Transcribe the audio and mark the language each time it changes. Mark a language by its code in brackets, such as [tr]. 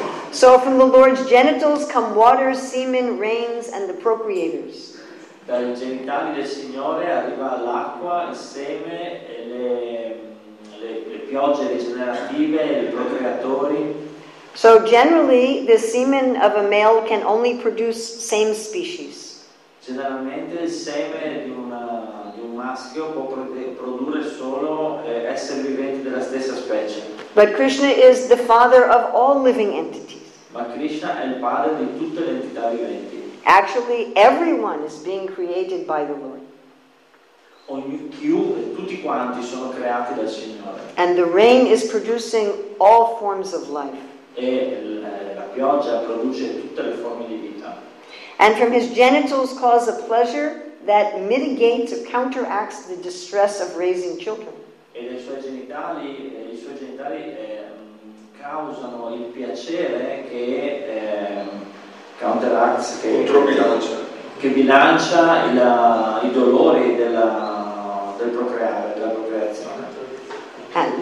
[en] So from the Lord's genitals come water, semen, rains, and the procreators. [it] Dai genitali del Signore arriva l'acqua, il seme e le piogge rigenerative e i procreatori. [en] So generally the semen of a male can only produce same species. [it] Generalmente il seme di un maschio può produrre solo esseri viventi della stessa specie. [en] But Krishna is the father of all living entities. [it] Ma Krishna è il padre di tutte le entità viventi. [en] Actually, everyone is being created by the Lord. [it] Tutti quanti sono creati dal Signore. [en] And the rain is producing all forms of life. [it] E la pioggia produce tutte le forme di vita. [en] And from his genitals cause a pleasure that mitigates or counteracts the distress of raising children. [it] E dai suoi genitali, causano il piacere che bilancia i dolori del procreare, della procreazione.